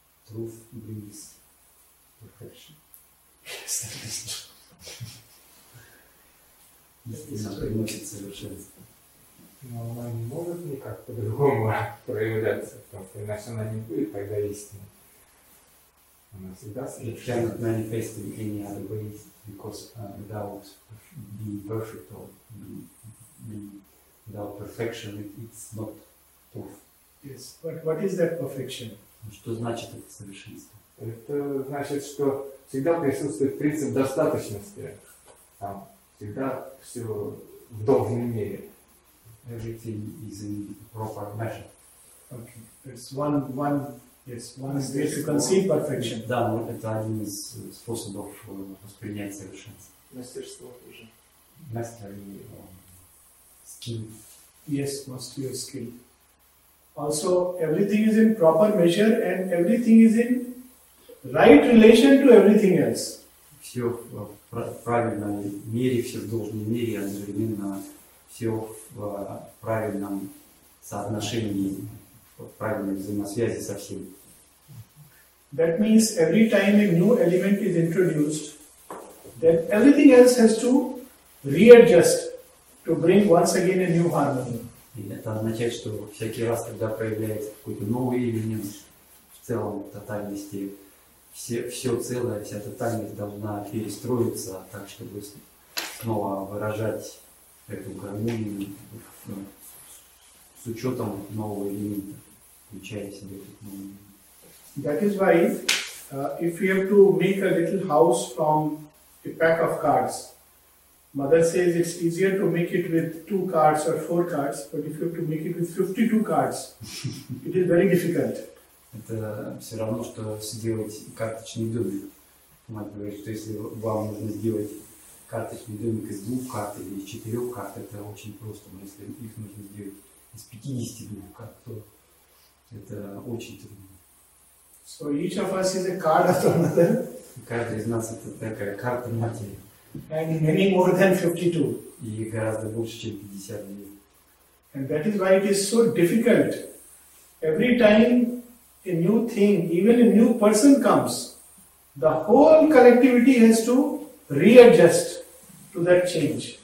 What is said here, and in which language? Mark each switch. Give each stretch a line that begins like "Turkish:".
English: Truth brings perfection. Yes, that is true.
Russian: Истина приносит совершенство. Но она не может никак по-другому проявляться, потому что иначе она не будет тогда истиной.
English: And I said, that's it. It cannot manifest in any other way, because without being perfect or without perfection, it's not proof. Yes, but what is that perfection?
Russian: Что значит это совершенство? Это значит, что всегда присутствует принцип достаточности. Там всегда все в должной мере.
English: Everything is in proper measure. Okay. It's one yes, one is there to conceive perfection.
Russian: Да, но это один из способов воспринять совершенство. Мастерство тоже. Мастерство. Skill.
English: Yes, mastery of skill. Also, everything is in proper measure and everything is in right relation to everything else.
Russian: Все в правильном мере, все в должном мере, одновременно все в правильном соотношении, в правильной взаимосвязи со всем.
English: That means every time a new element is introduced, then everything else has to readjust to bring once again a new harmony.
Russian: И это означает, что всякий раз, когда появляется какой-то новый элемент в целом тотальности, все целое, вся тотальность должна перестроиться так, чтобы снова выражать эту гармонию с учетом нового элемента, включая в себя этот новый элемент.
English: That is why, if you have to make a little house from a pack of cards, Mother says it's easier to make it with 2 cards or 4 cards, but if you have to make it with 52 cards, it is very difficult.
Russian: Это все равно, что сделать карточный домик. Мать говорит, что если вам нужно сделать карточный домик из 2 карт или из 4 карт, это очень просто. Но если их нужно сделать из 52 карт, то это очень трудно.
English: So each of us is a card of another.
Russian: Каждый из нас это такая карта матери.
English: And many more than 52.
Russian: И гораздо больше, чем 52.
English: And that is why it is so difficult. Every time a new thing, even a new person comes, the whole collectivity has to readjust to that change.